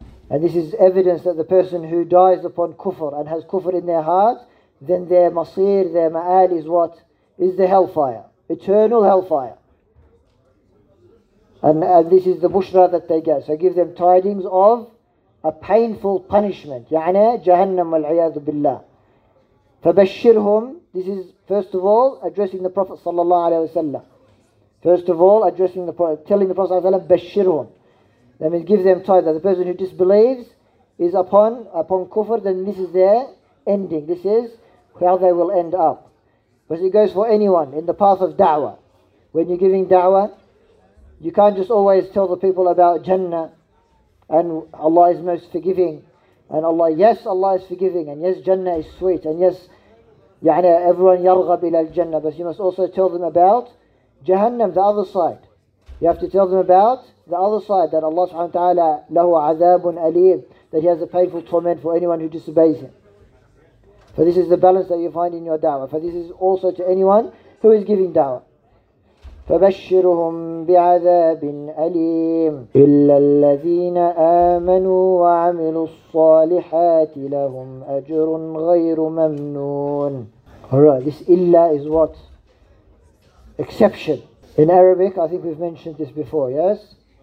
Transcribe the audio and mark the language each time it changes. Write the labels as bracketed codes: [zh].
[en] And this is evidence that the person who dies upon kufr and has kufr in their heart, then their masir, their ma'al is what? Is the hellfire. Eternal hellfire. And this is the bushra that they get. So I give them tidings of a painful punishment. [ar] يعني جهنم والعياذ بالله. فبشرهم. [en] This is first of all addressing the Prophet sallallahu alaihi wasallam. First of all addressing the Prophet, telling the Prophet sallallahu alaihi wasallam, بشرهم. That means give them tidings. The person who disbelieves is upon kufr, then this is their ending. This is how they will end up. But it goes for anyone in the path of da'wah. When you're giving da'wah, you can't just always tell the people about Jannah and Allah is most forgiving. And Allah, yes, Allah is forgiving. And yes, Jannah is sweet. And yes, يعني everyone [ar] يرغب إلى الجنة. [en] But you must also tell them about Jahannam, the other side. You have to tell them about the other side, that Allah subhanahu wa ta'ala [ar] له عذاب أليم, [en] that He has a painful torment for anyone who disobeys Him. For this is the balance that you find in your da'wah. For this is also to anyone who is giving da'wah. [ar] فبشرهم بعذاب أليم إلا الذين آمنوا وعملوا الصالحات لهم أجر غير ممنون. [en] Alright, this إلا is what? Exception. In Arabic, I think we've mentioned this before, yes?